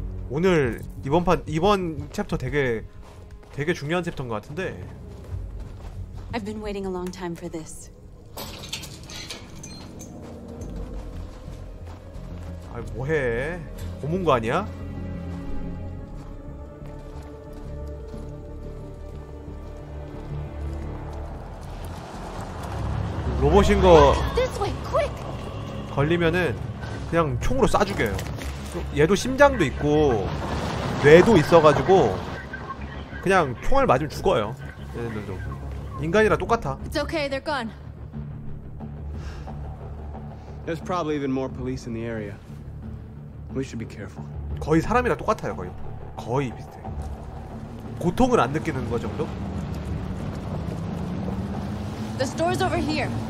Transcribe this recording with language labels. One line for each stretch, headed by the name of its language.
Korean: 오늘 이번 챕터 되게 중요한 챕터인 것 같은데.
English: I've been waiting a long time for this.
Korean: 아 뭐해 고문 거 아니야? 로봇인 거 걸리면은 그냥 총으로 쏴 죽여요. 얘도 심장도 있고 뇌도 있어가지고 그냥 총알 맞으면 죽어요. 얘네들도 인간이랑 똑같아.
English: It's okay, they're gone. There's probably even more police in the area. We should be careful.
Korean: 거의 사람이랑 똑같아요, 거의. 거의 비슷해. 고통을 안 느끼는 거 정도?
English: The store's over here.